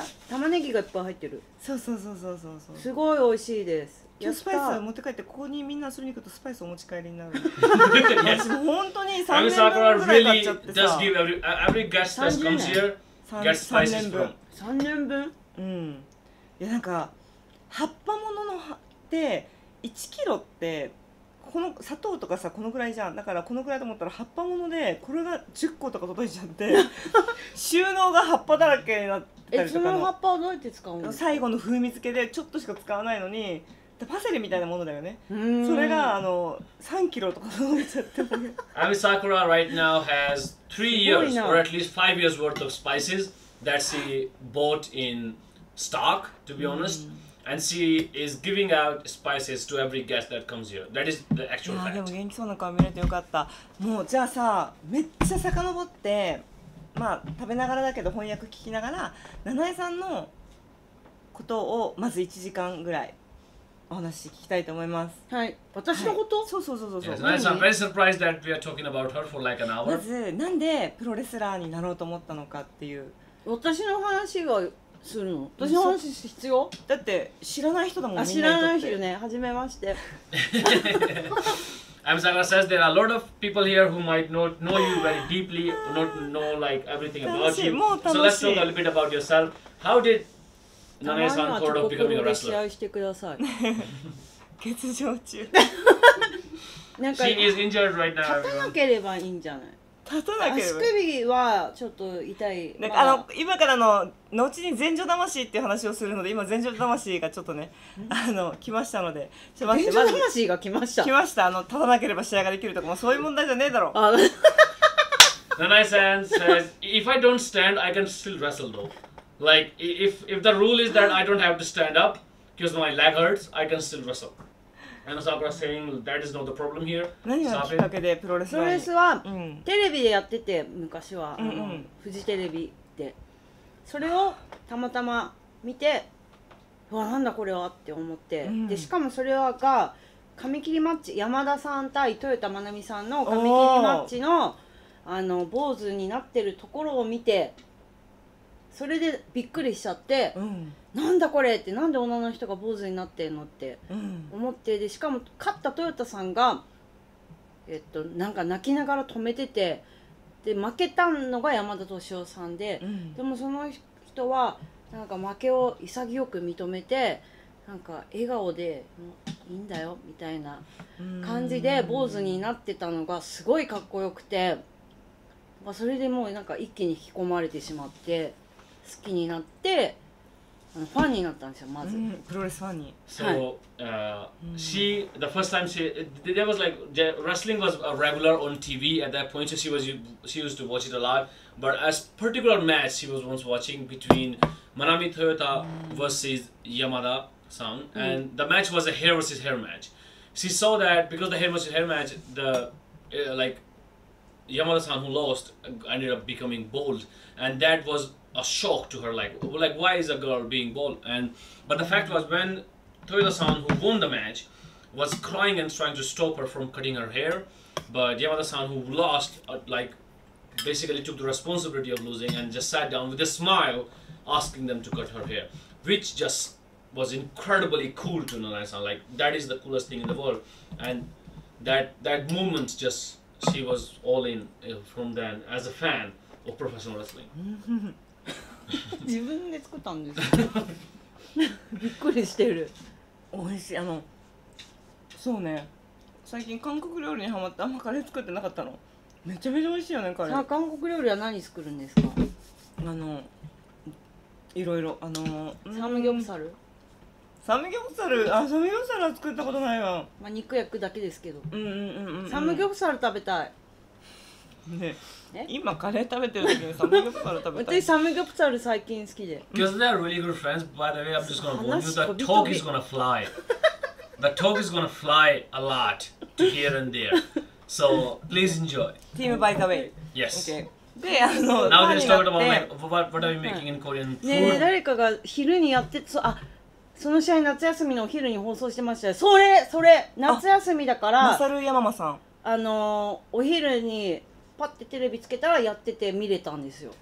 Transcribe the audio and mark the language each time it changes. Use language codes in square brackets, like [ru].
[ja] 玉ねぎがいっぱい入ってる。そう。すごい美味しいです。今日スパイスを持って帰って、ここにみんな遊びに行くとスパイスお持ち帰りになる。私も本当に3年分ぐらい買っちゃってさ。 [en] Ami Sakura really does give every guest that comes here gets spices from. [ja] 3年分。うん。いや、なんか葉っぱものの葉って1キロってこの砂糖とかさ、このぐらいじゃん。だからこのぐらいと思ったら葉っぱものでこれが10個とか届いちゃって収納が葉っぱだらけになったりとかの。え、その葉っぱはどうやって使うの？最後の風味付けでちょっとしか使わないのに、パセリみたいなものだよね。うん、それがあの3キロとか届いちゃってもね。 [en] Ami Sakura right now has 3 years or at least 5 years worth of spices that she bought in stock, to be honest. And she is giving out spices to every guest that comes here. That is the actual fact. [ja] でも元気そうな顔見れてよかった。もうじゃあさ、めっちゃ遡って、まあ食べながらだけど翻訳聞きながら、七重さんのことをまず1時間ぐらいお話聞きたいと思います。はい。私のこと？そうそうそうそうそう。 [en] Yes, Nanae さん、very surprised that we are talking about her for like an hour. [ja] まずなんでプロレスラーになろうと思ったのかっていう。私の話が。するの？私の話必要？だって知らない人だもん。知らない人ね。はじめまして。 [en] I'm Sagar says there are a lot of people here who might not know you very deeply, not know like everything about you. [ja] 楽しい、もう楽しい。 [en] So let's talk a little bit about yourself. How did Nanae さん thought of becoming a wrestler? [ja] 試合してください。欠場中。 [en] She is injured right now. [ja] 立たなければいいんじゃない？立たなければ足首はちょっと痛い。なんか、まあ、今からの後に前女魂っていう話をするので今前女魂がちょっとね来ましたので、ちょっと待って、前女魂が来ました、来ました。立たなければ試合ができるとか、まあ、そういう問題じゃねえだろ。 [en] Nanae san says if I don't stand I can still wrestle though, like if the rule is that I don't have to stand up because my leg hurts I can still wrestle。 And Sakura saying that is not the problem here. [ja] 何がきっかけでプロレスは？プロレスは、うん、テレビでやってて昔は、うんうん、フジテレビで、それをたまたま見て、わなんだこれはって思って、うん、でしかもそれはが髪切りマッチ、山田さん対豊田真奈美さんの髪切りマッチの坊主になってるところを見て、それでびっくりしちゃって。うん、なんだこれって、なんで女の人が坊主になってんのって思って、うん、でしかも勝ったトヨタさんがなんか泣きながら止めてて、で負けたのが山田敏夫さんで、うん、でもその人はなんか負けを潔く認めて、なんか笑顔でもういいんだよみたいな感じで坊主になってたのがすごいかっこよくて、まあ、それでもうなんか一気に引き込まれてしまって好きになって、ファンになったんですよ、まず。プロレスファンに。 [en] So, she, the first time she, there was like, wrestling was a regular on TV at that point, so she used to watch it a lot. But as particular match she was once watching between Manami Toyota versus Yamada-san, and the match was a hair versus hair match. She saw that because the hair versus hair match, the, like, Yamada-san who lost ended up becoming bald, and that was a shock to her, like why is a girl being bald? And but the fact was when Toyota-san who won the match was crying and trying to stop her from cutting her hair, but Yamada-san who lost like basically took the responsibility of losing and just sat down with a smile asking them to cut her hair, which just was incredibly cool to Nanae-san, like that is the coolest thing in the world. And that moment, just she was all in from then as a fan of professional wrestling. [ja] 自分で作ったんですよ。びっくりしてる。おいしい。そうね、最近韓国料理にハマってあんまカレー作ってなかったの。めちゃめちゃおいしいよねカレー。さあ韓国料理は何作るんですか？いろいろサムギョプサル。サムギョプサル、あ、サムギョプサルは作ったことないわ。まあ、肉焼くだけですけど、うんうんうんうん、サムギョプサル食べたいね、今カレー食べてるんだけどサムギョプサル食べたい。私サムギョプサル最近好きで。 [en] Because they are really good friends. By the way, I'm just gonna warn you that talk is gonna fly. The talk is gonna fly a lot to here and there. So please enjoy. Team by the way. Yes. Okay. Now let's talk about what are we making in Korean food. [ja] ねえ、誰かが昼にやって、そ、あ、その試合夏休みのお昼に放送してましたよ。それそれ、夏休みだから。マサル山間さん。お昼に。パッてテレビつけたらやってて見れたんですよ。